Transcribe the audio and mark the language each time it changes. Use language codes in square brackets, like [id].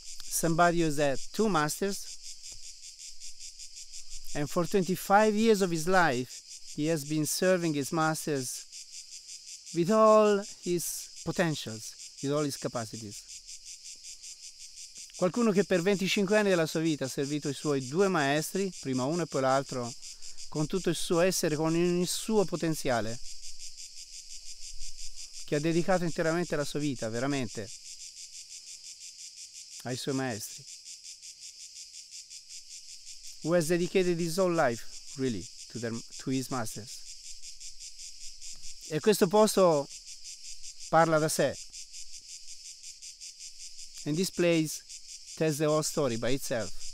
[en] Somebody who's had two masters, and for 25 years of his life he has been serving his masters with all his potentials, with all his capacities. [it] Qualcuno che per 25 anni della sua vita ha servito i suoi due maestri, prima uno e poi l'altro, con tutto il suo essere, con il suo potenziale, che ha dedicato interamente la sua vita, veramente, ai suoi maestri. [en] Who has dedicated his whole life really to his masters. [it] E questo posto parla da sé. [en] And this place tells the whole story by itself.